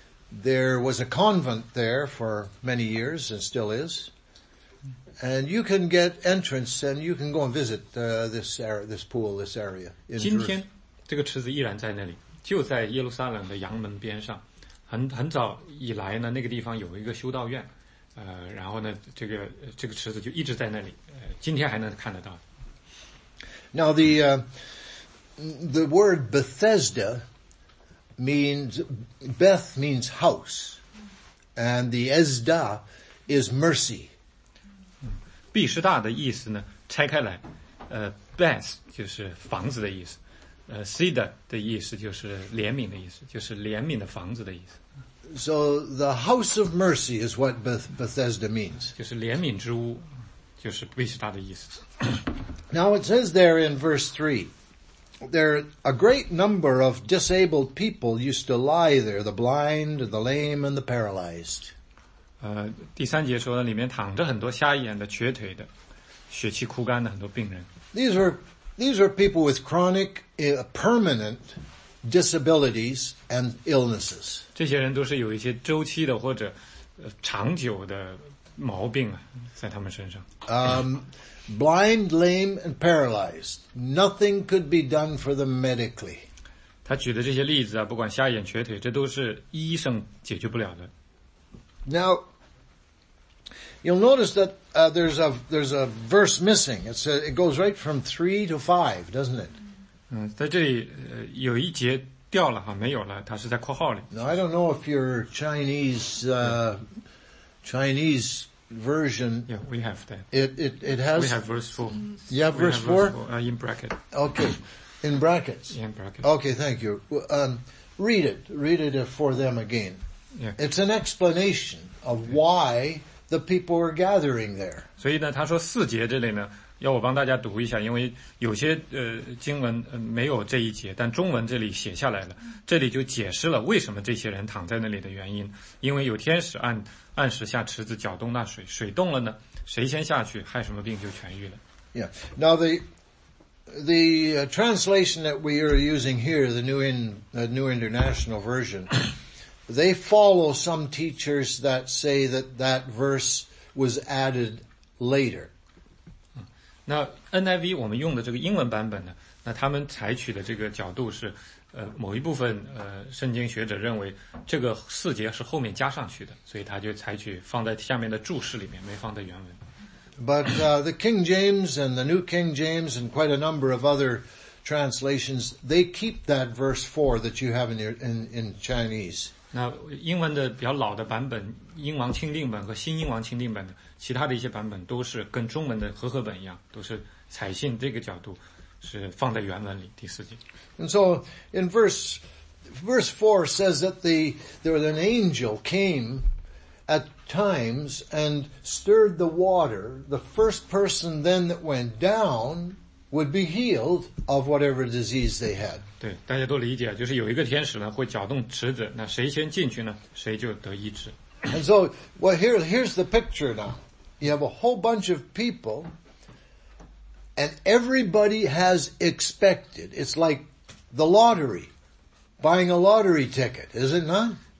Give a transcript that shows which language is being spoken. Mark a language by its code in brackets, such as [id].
[en] There was a convent there for many years and still is. And you can get entrance and you can go and visit this area. [zh] 今天这个池子依然在那里，就在耶路撒冷的羊门边上。很早以来呢，那个地方有一个修道院，然后呢，这个池子就一直在那里，今天还能看得到。 [en] Now the word Bethesda,means, Beth means house, and the Ezda is mercy. [zh] 毕士大的意思呢，拆开来，Beth 就是房子的意思，Seda 的意思就是怜悯的意思，就是怜悯的房子的意思。 [en] So the house of mercy is what Bethesda means. [zh] 就是怜悯之屋，就是毕士大的意思。 [en] Now it says there in verse 3,There, a great number of disabled people used to lie there, the blind, the lame, and the paralyzed. [zh] 第三节说里面躺着很多瞎眼的、瘸腿的、血气枯干的很多病人。 [en] These are people with chronic, permanent disabilities and illnesses. [zh] 这些人都是有一些周期的或者长久的毛病啊，在他们身上。 [en] Blind, lame, and paralyzed. Nothing could be done for them medically. [zh] 他举的这些例子啊，不管瞎眼、瘸腿，这都是医生解决不了的。 [en] Now, you'll notice that there's a verse missing. It goes right from 3 to 5, doesn't it? [zh] 在这里有一节掉了哈，没有了，它是在括号里。 [en] Now, I don't know if your Chinese version. Yeah, we have that. It has. We have verse 4. You have verse 4? In bracket. Okay. In brackets. Yeah, in bracket. Okay, thank you. Read it. Read it for them again. Yeah. It's an explanation of why the people were gathering there. [zh] 所以呢，他说四节这里呢，要我帮大家读一下，因为有些经文没有这一节，但中文这里写下来了，这里就解释了为什么这些人躺在那里的原因，因为有天使按时下池子搅动那水，水动了呢，谁先下去，害什么病就痊愈了。 [en] Yeah. Now the translation that we are using here, the New International Version, they follow some teachers that say that verse was added later. [zh] 那 NIV 我们用的这个英文版本呢，那他们采取的这个角度是某一部分圣经学者认为这个四节是后面加上去的，所以他就采取放在下面的注释里面，没放在原文。 [en] But the King James and the New King James and quite a number of other translations, they keep that verse 4 that you have in Chinese. [zh] 那英文的比较老的版本，英王钦定本和新英王钦定本的其他的一些版本都是跟中文的和合本一样，都是采信这个角度，是放在原文里第四节。 [en] And so in verse 4 says that an angel came at times and stirred the water. The first person then that went down would be healed of whatever disease they had. [zh] 对，大家都理解，就是有一个天使呢会搅动池子，那谁先进去呢，谁就得医治。 [en] And so, well, here's the picture now. You have a whole bunch of people, and everybody has expected. It's like the lottery, buying a lottery ticket, is it not?